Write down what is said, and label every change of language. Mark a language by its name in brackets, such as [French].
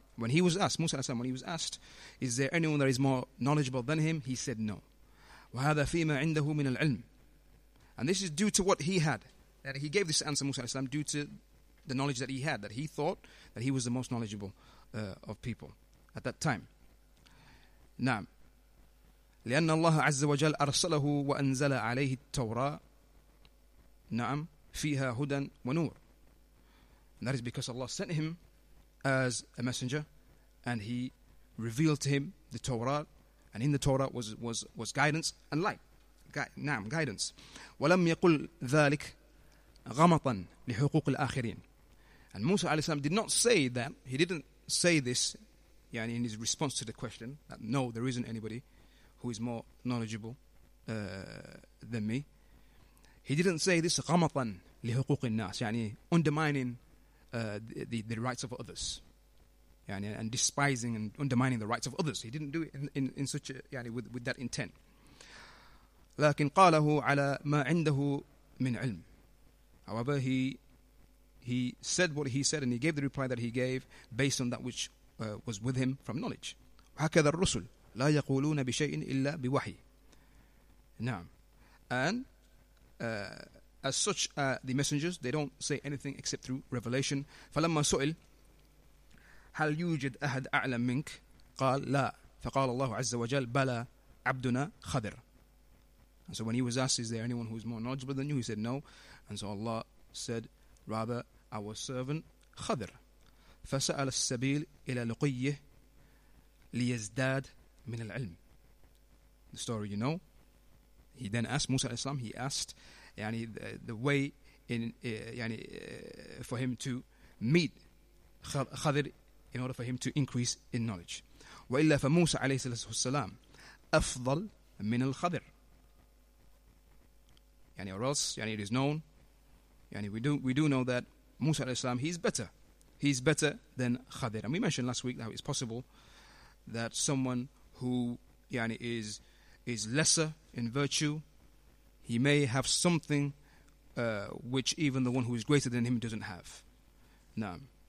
[English] When he was asked, Musa alayhi salam, when he was asked, is there anyone that is more knowledgeable than him? He said no. [Arabic] وَهَذَا فِيمَا عِنْدَهُ مِنَ الْعِلْمِ. [English] And this is due to what he had. That he gave this answer, Musa alayhi salam, due to the knowledge that he had, that he thought that he was the most knowledgeable of people at that time. [Arabic] Naam. لأن الله عز وجل أرسله وأنزل عليه التوراة. Naam. فيها هدى ونور. [English] And that is because Allah sent him as a messenger, and he revealed to him the Torah, and in the Torah was guidance and light. Naam, guidance. [Arabic] ولم يقل ذلك غمطا لحقوق الآخرين. [English] And Musa alayhi salam did not say that. He didn't say this yani in his response to the question, that no, there isn't anybody who is more knowledgeable than me. He didn't say this [Arabic] غمطاً لحقوق الناس, [English] يعني undermining the rights of others, يعني, and despising and undermining the rights of others. He didn't do it in such a, يعني, with that intent. [Arabic] لكن قاله على ما عنده من علم. [English] However, he said what he said, and he gave the reply that he gave based on that which was with him from knowledge. [Arabic] وهكذا الرسل لا يقولون بشيء إلا بوحي. نعم. [English] And as such, the messengers, they don't say anything except through revelation. [Arabic] فلما سئل هل يوجد أحد أعلم منك قال لا. فقال الله عز وجل بلى عبدنا خضر. [English] And so when he was asked, is there anyone who is more knowledgeable than you? He said, no. And so Allah said, rather, our servant, Khadr. [Arabic] فسأل السبيل إلى لقيه ليزداد من العلم. [English] The story you know. He then asked Musa alayhi salam, he asked يعني, the way in يعني, for him to meet Khadr in order for him to increase in knowledge. [Arabic] وإلا فموسى عليه السلام أفضل من الخضر. [English] يعني, or else, يعني, it is known. يعني, we do know that Musa alayhi salam, he's better. He's better than Khadir. And we mentioned last week how it's possible that someone who, يعني, is lesser in virtue, he may have something which even the one who is greater than him doesn't have. Naam.